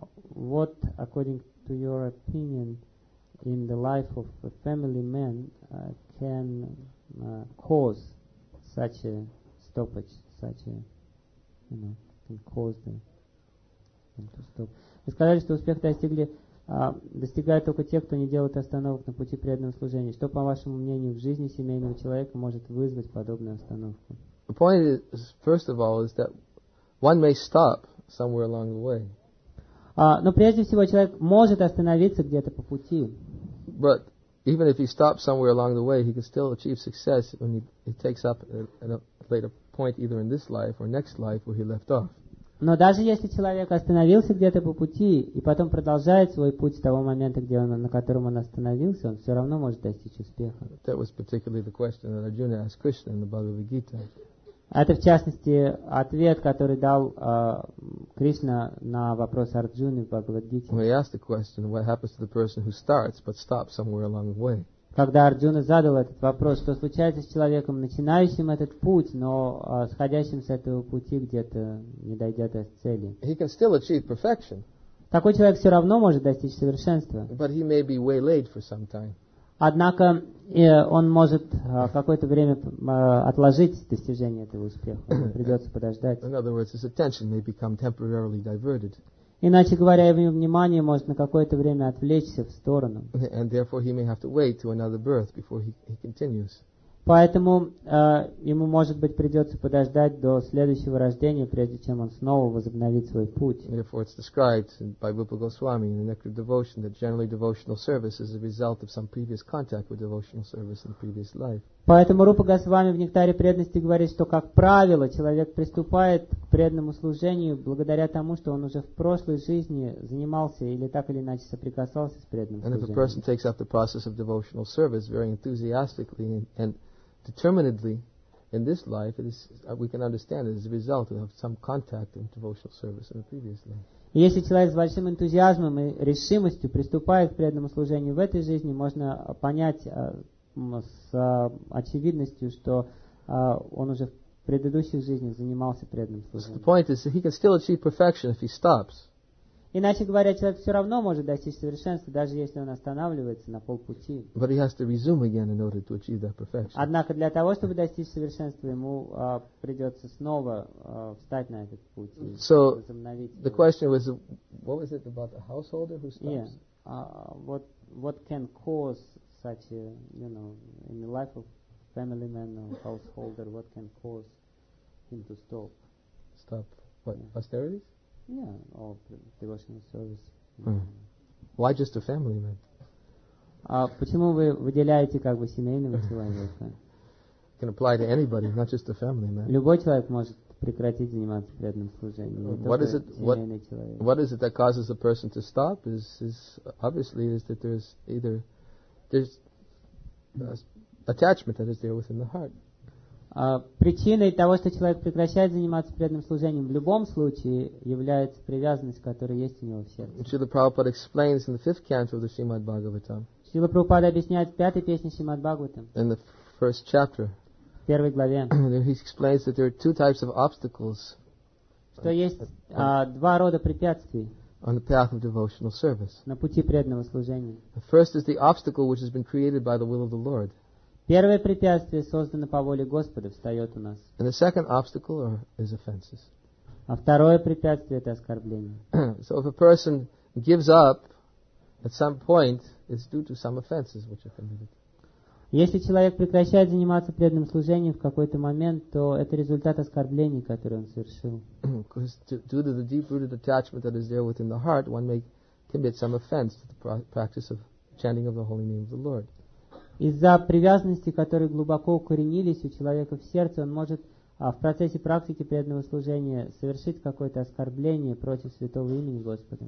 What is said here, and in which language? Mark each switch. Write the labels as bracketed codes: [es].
[en] What, according to your opinion, in the life of a family man can cause such a stoppage, can cause them to stop? [ru] Вы сказали, что успех достигают только те, кто не делает остановок на пути преданного служения. Что, по вашему мнению, в жизни семейного человека может вызвать подобную остановку? [en] The point is, first of all, is that one may stop somewhere along the way. [ru] Но прежде всего человек может остановиться где-то по пути. [en] But even if he stops somewhere along the way, he can still achieve success when he takes up at a later point, either in this life or next life, where he left off. [ru] Но даже если человек остановился где-то по пути и потом продолжает свой путь с того момента, где он, на котором он остановился, он все равно может достичь успеха. [en] That was particularly the question that Arjuna asked Krishna in the Bhagavad Gita. [ru] Это, в частности, ответ, который дал Кришна на вопрос Арджуны в Бхагавад-гите. Когда Арджуна задал этот вопрос, что случается с человеком, начинающим этот путь, но сходящим с этого пути где-то, не дойдя до цели. [en] He can still achieve perfection. [ru] Такой человек все равно может достичь совершенства. [en] But he may be waylaid for some time. [ru] Однако он может какое-то время отложить достижение этого успеха. Придется подождать. [en] In other words, his attention may become temporarily diverted. [ru] Иначе говоря, его внимание может на какое-то время отвлечься в сторону. [en] And therefore he may have to wait to another birth before he continues. [ru] Поэтому ему, может быть, придется подождать до следующего рождения, прежде чем он снова возобновит свой путь. [en] Therefore, it's described by Rupa Goswami in the Nectar of Devotion that generally devotional service is a result of some previous contact with devotional service in the previous life. [ru] Поэтому Рупа Госвами в Нектаре преданности говорит, что, как правило, человек приступает к преданному служению благодаря тому, что он уже в прошлой жизни занимался или так или иначе соприкасался с преданным служением. [en] And if a person takes up the process of devotional service very enthusiastically and determinedly in this life, it is, we can understand it as a result of some contact in devotional service in the previous life. [ru] Если человек с большим энтузиазмом и решимостью приступает к преданному служению в этой жизни, можно понять с очевидностью, что он уже в предыдущих жизнях занимался преданным служением. [en] So the point is that he can still achieve perfection if he stops. [ru] Иначе говоря, человек все равно может достичь совершенства, даже если он останавливается на полпути. [en] But he has to resume again in order to achieve that perfection. [ru] Однако для того, чтобы достичь совершенства, ему придется снова встать на этот путь и возобновить. [en] So the question was, what was it about the householder who stops? Yeah. What can cause such a, you know, in the life of family man or householder, what can cause him to stop? Stop what? Yeah. Austerities? Yeah, or devotional service. Why just a family man? [ru] Почему вы выделяете как бы семейного человека? [en] Can apply to anybody, not just a family man. [ru] Любой человек может прекратить заниматься преданным служением. [en] What is it that causes a person to stop? Is obviously that there is either there's attachment that is there within the heart. [ru] Причиной того, что человек прекращает заниматься преданным служением, в любом случае является привязанность, которая есть у него в сердце. [en] Srila Prabhupada explains in the fifth canto of the Srimad Bhagavatam. [ru] Srila Prabhupada объясняет в пятой песне Srimad Bhagavatam. [en] In the first chapter. [ru] В первой главе. [en] He explains that there are two types of obstacles. [ru] Что есть два рода препятствий. [en] On the path of devotional service. [ru] На пути преданного служения. [en] The first is the obstacle which has been created by the will of the Lord. [ru] Первое препятствие создано по воле Господа, встает у нас. [en] And the second obstacle is offenses. [ru] А второе препятствие это оскорбление. [en] So if a person gives up at some point, it's due to some offenses which are committed. [ru] Если человек прекращает заниматься преданным служением в какой-то момент, то это результат оскорблений, которые он совершил. [en] Because due to the deep-rooted attachment that is there within the heart, one may commit some offense to the practice of chanting of the holy name of the Lord. [ru] Из-за привязанности, которые глубоко укоренились у человека в сердце, он может в процессе практики преданного служения совершить какое-то оскорбление против святого имени Господа.